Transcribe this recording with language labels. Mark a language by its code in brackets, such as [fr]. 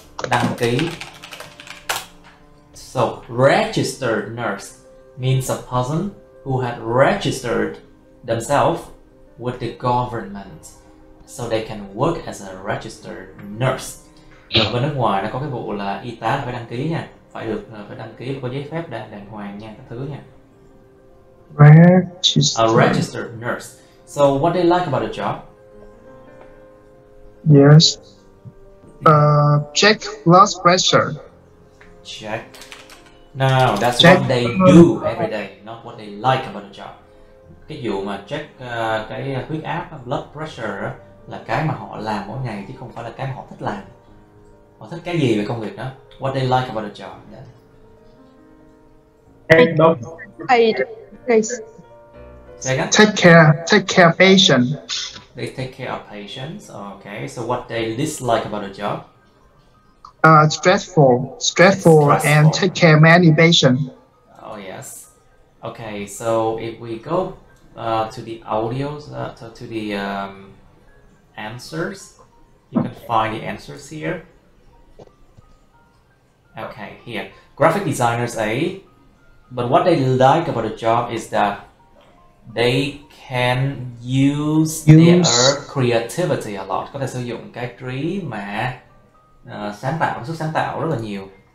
[vi] Đăng ký. [en] So registered nurse means a person who had registered themselves with the government, so they can work as a registered nurse. [vi] Rồi bên nước ngoài nó có cái vụ là y tá phải đăng ký nha, phải được phải đăng ký và có giấy phép đàng hoàng nha, các thứ nha. [en] Registered. A registered nurse. So what they like about the job? Yes. Check blood pressure. Check. No, that's check what they do every day, not what they like about the job. [vi] Cái vụ mà check cái huyết áp, blood pressure là cái mà họ làm mỗi ngày chứ không phải là cái mà họ thích làm. Họ thích cái gì về công việc đó? [en] What they like about the job? Yeah. Paid. Take care of patient. They take care of patients. Okay. So what they dislike about the job? Stressful and take care of many patients. Oh yes. Okay. So if we go to the audios to the answers, you can find the answers here. Okay, here. Graphic designers, eh? But what they like about the job is that they can use their creativity a lot. [vi] Có thể sử dụng cái trí mà sáng tạo, sức sáng tạo rất là nhiều.